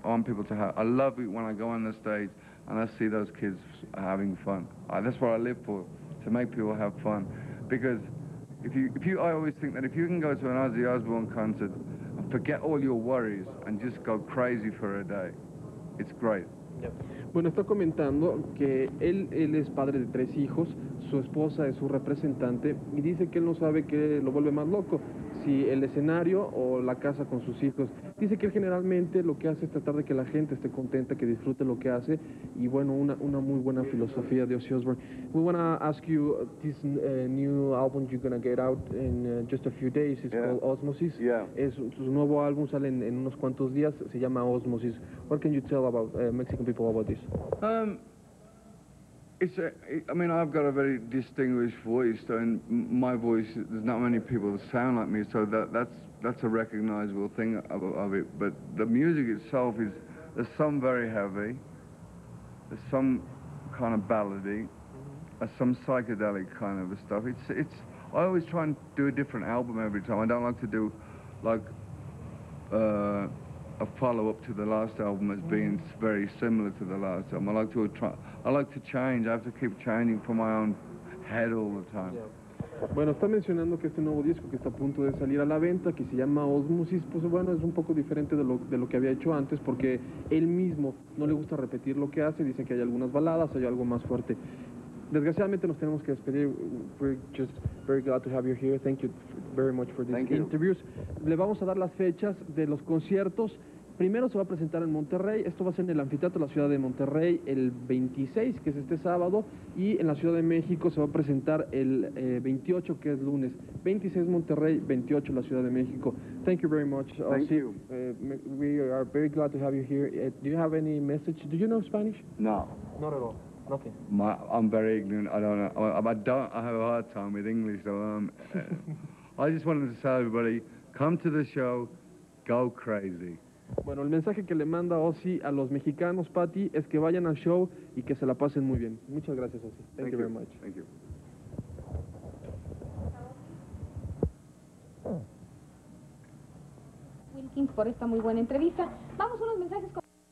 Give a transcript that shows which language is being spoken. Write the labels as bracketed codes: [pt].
[en] I want people to have. I love it when I go on the stage and I see those kids having fun. That's what I live for, to make people have fun. Because I always think that if you can go to an Ozzy Osbourne concert and forget all your worries and just go crazy for a day, it's great. Yep. [es] Bueno, está comentando que él es padre de tres hijos, su esposa es su representante, y dice que él no sabe que lo vuelve más loco, si el escenario o la casa con sus hijos. Dice que él generalmente lo que hace es tratar de que la gente esté contenta, que disfrute lo que hace, y bueno, una muy buena filosofía de Ozzy Osbourne. [en] We want to ask you this new album you're going to get out in just a few days. It's called Osmosis. Yeah. [es] Es su nuevo álbum, sale en unos cuantos días, se llama Osmosis. [en] What can you tell about Mexican people about this? I mean, I've got a very distinguished voice, so in my voice, there's not many people that sound like me, so that's a recognizable thing of it. But the music itself is, the song very heavy, some kind of ballady, some psychedelic kind of a stuff. It's I always try and do a different album every time. I don't like to do like a follow-up to the last album as being very similar to the last album. I like to I like to change. I have to keep changing for my own head all the time. Yeah. [es] Bueno, está mencionando que este nuevo disco que está a punto de salir a la venta, que se llama Osmosis, pues bueno, es un poco diferente de lo que había hecho antes, porque él mismo no le gusta repetir lo que hace, dice que hay algunas baladas, hay algo más fuerte. Desgraciadamente nos tenemos que despedir. [en] We're just very glad to have you here. Thank you very much for these interviews. [es] Le vamos a dar las fechas de los conciertos. Primero se va a presentar en Monterrey, esto va a ser en el anfiteatro de la Ciudad de Monterrey el 26, que es este sábado, y en la Ciudad de México se va a presentar el 28, que es lunes. 26 Monterrey, 28 la Ciudad de México. [en] Thank you very much. Thank you. We are very glad to have you here. Do you have any message? Do you know Spanish? No. Not at all. Nothing. I'm very ignorant. I don't know. I have a hard time with English, so I just wanted to tell everybody, come to the show, go crazy. [es] Bueno, el mensaje que le manda Ozzy a los mexicanos, Pati, es que vayan al show y que se la pasen muy bien. Muchas gracias, Ozzy. [en] Thank you very much. Thank you. [es] Wilkins, por esta muy buena entrevista. Vamos a unos mensajes con...